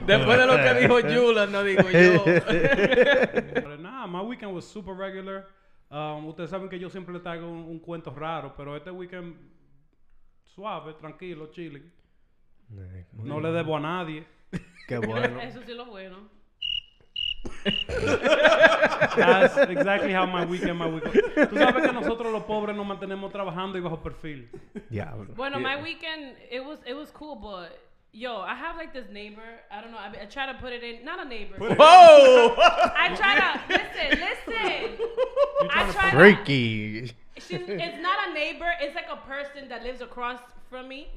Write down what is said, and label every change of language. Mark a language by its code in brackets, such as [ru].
[es] Después de lo que dijo Yula, no digo yo. [en] Nah, my weekend was super regular. [es] Ustedes saben que yo siempre le traigo un cuento raro, pero este weekend, [en] suave, tranquilo, chilling. [es] No le debo a nadie. Qué bueno. Eso sí lo bueno. [en] That's exactly how my week. [es] Tú sabes que nosotros los pobres nos mantenemos trabajando y bajo perfil. [en] Yeah. Bueno, my weekend it was cool, but yo, I have like this neighbor. I don't know. I try to put it in. Not a neighbor. Whoa! I try to listen. Freaky. It's not a neighbor. It's like a person that lives across from me.